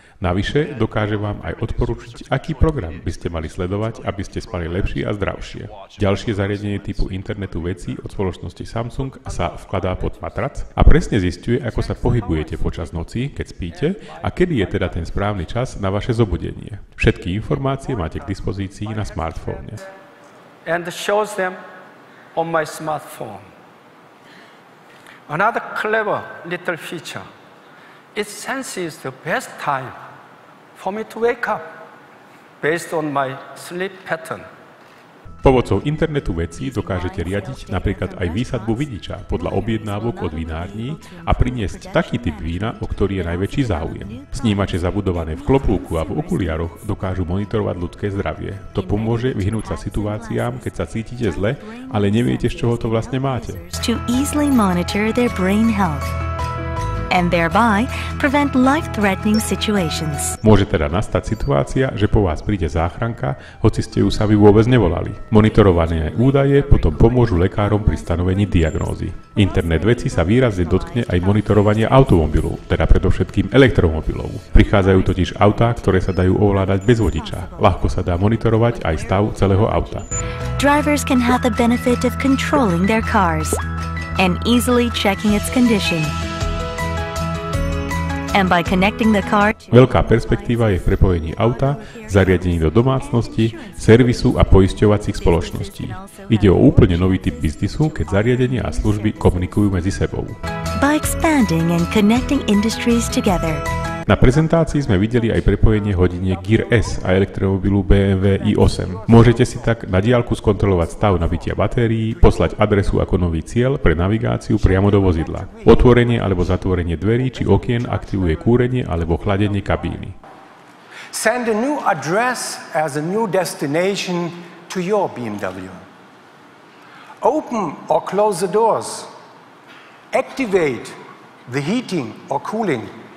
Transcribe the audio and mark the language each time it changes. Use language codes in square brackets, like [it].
[sk] Navyše, dokáže vám aj odporučiť, aký program by ste mali sledovať, aby ste spali lepšie a zdravšie. Ďalšie zariadenie typu internetu vecí od spoločnosti Samsung sa vkladá pod matrac a presne zisťuje, ako sa pohybujete počas noci, keď spíte, a kedy je teda ten správny čas na vaše zobudenie. Všetky informácie máte k dispozícii na smartfóne. [en] And shows them on my smartphone. Another clever little feature. It senses the best time for me to wake up based on my sleep pattern. [sk] Pomocou internetu vecí dokážete riadiť napríklad aj výsadbu vidiča podľa objednávok od vinární a priniesť taký typ vína, o ktorý je najväčší záujem. Snímače zabudované v klobúku a v okuliároch dokážu monitorovať ľudské zdravie. To pomôže vyhnúť sa situáciám, keď sa cítite zle, ale neviete, z čoho to vlastne máte. [en] To easily monitor their brain health and thereby prevent life-threatening situations. [sk] Môže teda nastať situácia, že po vás príde záchranka, hoci ste ju sami vôbec nevolali. Monitorované údaje potom pomôžu lekárom pri stanovení diagnózy. Internet vecí sa výrazne dotkne aj monitorovania automobilov, teda predovšetkým elektromobilov. Prichádzajú totiž autá, ktoré sa dajú ovládať bez vodiča. Ľahko sa dá monitorovať aj stav celého auta. [en] Drivers can have the benefit of controlling their cars and easily checking its condition. And by connecting the car to... [sk] Veľká perspektíva je v prepojení auta, zariadení do domácnosti, servisu a poisťovacích spoločností. Ide o úplne nový typ biznisu, keď zariadenia a služby komunikujú medzi sebou. [en] By expanding and connecting industries together. [sk] Na prezentácii sme videli aj prepojenie hodiniek Gear S a elektromobilu BMW i8. Môžete si tak na diaľku skontrolovať stav nabitia batérií, poslať adresu ako nový cieľ pre navigáciu priamo do vozidla. Otvorenie alebo zatvorenie dverí či okien aktivuje kúrenie alebo chladenie kabíny. [en] Send a new address as a new destination to your BMW. Open or close the doors. Activate the heating or cooling.